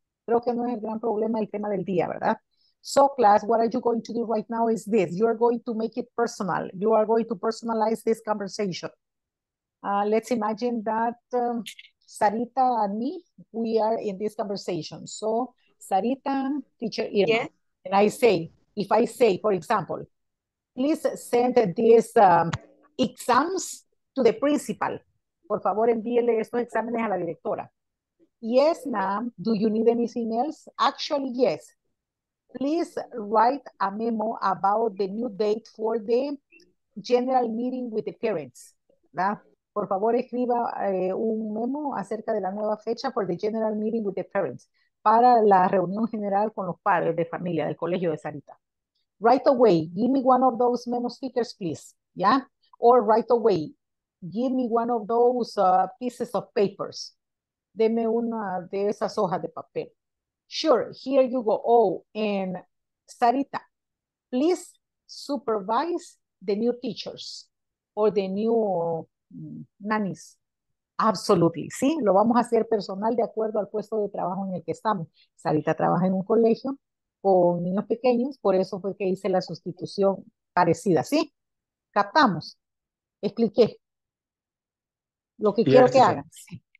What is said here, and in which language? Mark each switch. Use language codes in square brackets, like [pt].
[es] Creo que no es el gran problema el tema del día, ¿verdad? [en] So, class, what are you going to do right now is this. You are going to make it personal. You are going to personalize this conversation. Let's imagine that Sarita and me, we are in this conversation. So, Sarita, teacher Irma, and I say, if I say, for example, please send these exams to the principal. [es] Por favor, envíele estos exámenes a la directora. [en] Yes, ma'am. Do you need anything else? Actually, yes. Please write a memo about the new date for the general meeting with the parents. [es] ¿Verdad? Por favor, escriba un memo acerca de la nueva fecha [en] for the general meeting with the parents. [es] Para la reunión general con los padres de familia del colegio de Sarita. [en] Right away, give me one of those memo stickers, please. Yeah? Or right away, give me one of those pieces of papers. [es] Deme una de esas hojas de papel. [en] Sure, here you go. Oh, and Sarita, please supervise the new teachers or the new nannies. Absolutely, [es] sí, lo vamos a hacer personal de acuerdo al puesto de trabajo en el que estamos. Sarita trabaja en un colegio con niños pequeños, por eso fue que hice la sustitución parecida, ¿sí? Captamos, expliqué lo que quiero que hagan, sí.